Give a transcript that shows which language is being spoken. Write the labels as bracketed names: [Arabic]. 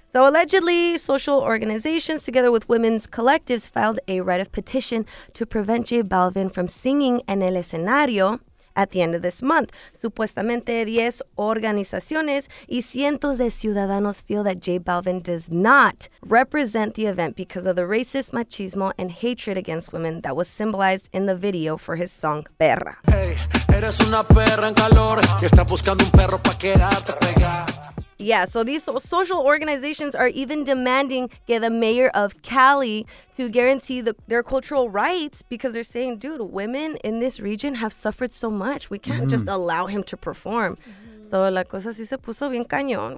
[English] So allegedly, social organizations together with women's collectives filed a writ of petition to prevent J Balvin from singing [Spanish] en el escenario. [English] at the end of this month. [Spanish] Supuestamente 10 organizaciones y cientos de ciudadanos [English] feel that J Balvin does not represent the event because of the racist, machismo, and hatred against women that was symbolized in the video for his song, Perra. [Spanish] Hey, eres una perra en calor que está buscando un perro pa' quererte pegar. [English] Yeah, so these social organizations are even demanding get the mayor of Cali to guarantee their cultural rights because they're saying, dude, women in this region have suffered so much. We can't just allow him to perform. [Spanish] So la cosa sí se puso bien cañón.